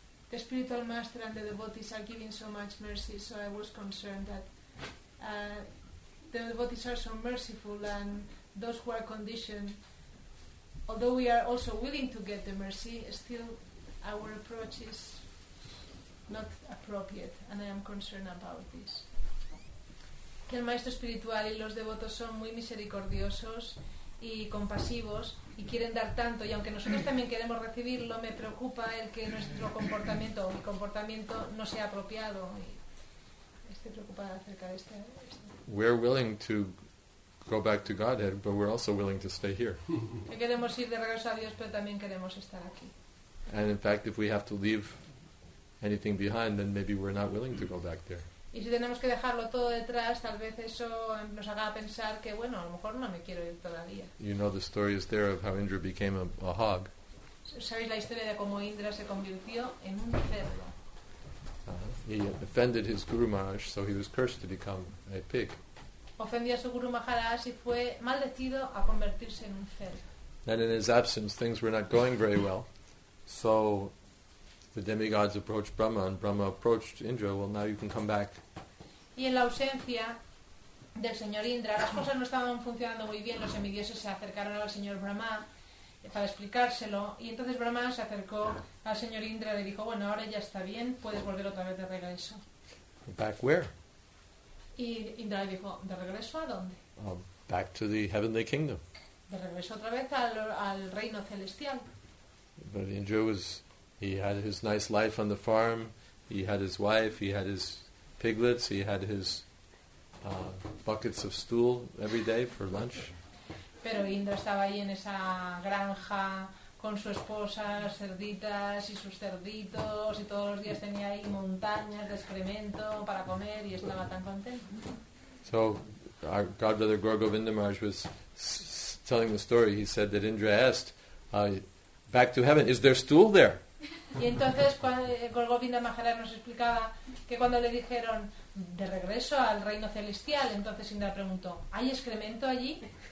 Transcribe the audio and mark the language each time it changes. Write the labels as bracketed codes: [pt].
[en] The spiritual master and the devotees are giving so much mercy, so I was concerned that the devotees are so merciful and those who are conditioned, although we are also willing to get the mercy, still our approach is not appropriate, and I am concerned about this. [es] Que el maestro espiritual y los devotos son muy misericordiosos y compasivos y quieren dar tanto, y aunque nosotros también queremos recibirlo, me preocupa el que nuestro comportamiento o mi comportamiento no sea apropiado. Y estoy preocupada acerca de esto. [en] We're willing to go back to Godhead, but we're also willing to stay here. [es] Que queremos ir de regreso a Dios, pero también queremos estar aquí. [en] And in fact, if we have to leave anything behind, then maybe we're not willing to go back there. [es] Y si tenemos que dejarlo todo detrás, tal vez eso nos haga pensar que, bueno, a lo mejor no me quiero ir todavía. [en] You know the story is there of how Indra became a hog. [es] ¿Sabéis la historia de cómo Indra se convirtió en un cerdo? [en] He offended his Guru Maharaj, so he was cursed to become a pig. [es] Ofendió a su Guru Maharaj y fue maldecido a convertirse en un cerdo. [en] And in his absence, things were not going very well. So the demigods approached Brahma, and Brahma approached Indra. Well, now you can come back. [es] Y en la ausencia del señor Indra, las cosas no estaban funcionando muy bien. Los semidioses se acercaron al señor Brahma para explicárselo, y entonces Brahma se acercó al señor Indra y le dijo: bueno, ahora ya está bien, puedes volver otra vez de regreso. [en] Back where? [es] Y Indra le dijo: ¿de regreso a dónde? [en] Back to the heavenly kingdom. [es] De regreso otra vez al reino celestial. [en] But Indra was, he had his nice life on the farm, he had his wife, he had his piglets, he had his buckets of stool every day for lunch. [es] Pero Indra estaba ahí en esa granja con su esposa, las cerditas y sus cerditos, y todos los días tenía ahí montañas de excremento para comer y estaba tan contento. [en] So our godbrother Gaurgovinda Maharaj was telling the story. He said that Indra asked back to heaven, is there stool there? [es] Y entonces Gaurgovinda Maharaj nos explicaba que cuando le dijeron de regreso al reino celestial, entonces Indra preguntó, ¿hay excremento allí?